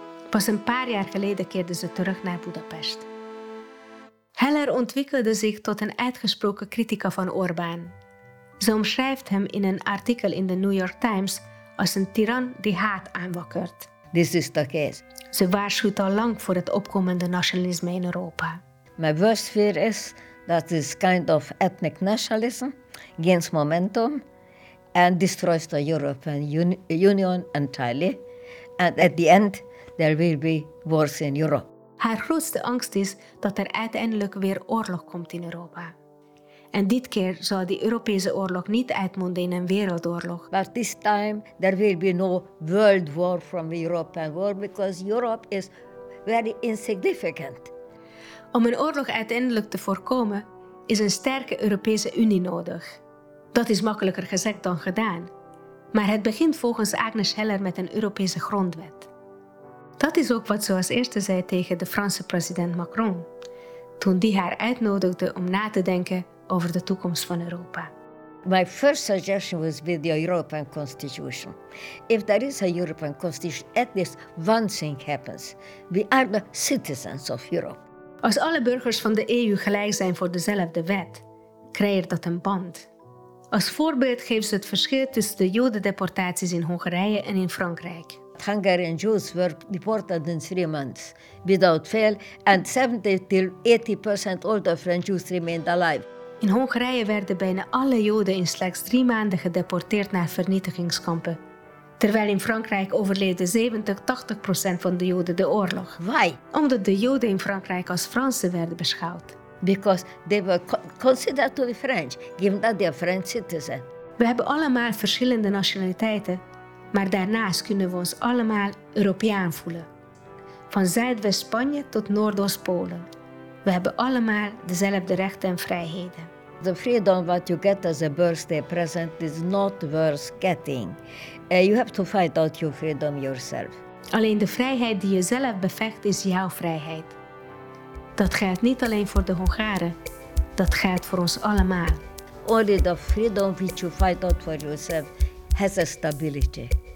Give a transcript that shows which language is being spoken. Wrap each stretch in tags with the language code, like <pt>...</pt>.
<nl>Pas een paar jaar geleden keerde ze terug naar Budapest. Heller ontwikkelde zich tot een uitgesproken critica van Orbán. Ze omschrijft hem in een artikel in de New York Times als een tiran die haat aanwakkert.</nl> <en>This is the case.</en> <nl>Ze waarschuwt al lang voor het opkomende nationalisme in Europa.</nl> <en>My worst fear is that this kind of ethnic nationalism gains momentum and destroys the European Union entirely. And at the end, there will be wars in Europe.</en> <nl>Haar grootste angst is dat er uiteindelijk weer oorlog komt in Europa. En dit keer zal die Europese oorlog niet uitmonden in een wereldoorlog.</nl> <en>But this time there will be no world war from European war because Europe is very insignificant.</en> <nl>Om een oorlog uiteindelijk te voorkomen is een sterke Europese Unie nodig. Dat is makkelijker gezegd dan gedaan. Maar het begint volgens Agnes Heller met een Europese grondwet. Dat is ook wat ze als eerste zei tegen de Franse president Macron, toen die haar uitnodigde om na te denken over de toekomst van Europa.</nl> <en>My first suggestion was with the European Constitution. If there is a European Constitution, at least one thing happens. We are the citizens of Europe.</en> <nl>Als alle burgers van de EU gelijk zijn voor dezelfde wet, creëert dat een band. Als voorbeeld geeft ze het verschil tussen de Jodendeportaties in Hongarije en in Frankrijk.</nl> <en>Hungarian Jews were deported in 3 months without fail and 70-80% of all the French Jews remained alive.</en> <nl>In Hongarije werden bijna alle Joden in slechts 3 maanden gedeporteerd naar vernietigingskampen. Terwijl in Frankrijk overleden 70-80% van de Joden de oorlog.</nl> <en>Why?</en> <nl>Omdat de Joden in Frankrijk als Fransen werden beschouwd.</nl> <en>Because they were considered to be French, given that they are French citizens.</en> <nl>We hebben allemaal verschillende nationaliteiten. Maar daarnaast kunnen we ons allemaal Europeaan voelen. Van Zuidwest-Spanje tot Noordoost-Polen. We hebben allemaal dezelfde rechten en vrijheden.</nl> <en>The freedom what you get as a birthday present is not worth getting. You have to fight out your freedom yourself.</en> <nl>Alleen de vrijheid die je zelf bevecht is jouw vrijheid. Dat geldt niet alleen voor de Hongaren. Dat geldt voor ons allemaal.</nl> <en>Only the freedom which you fight out for yourself has a stability.</en>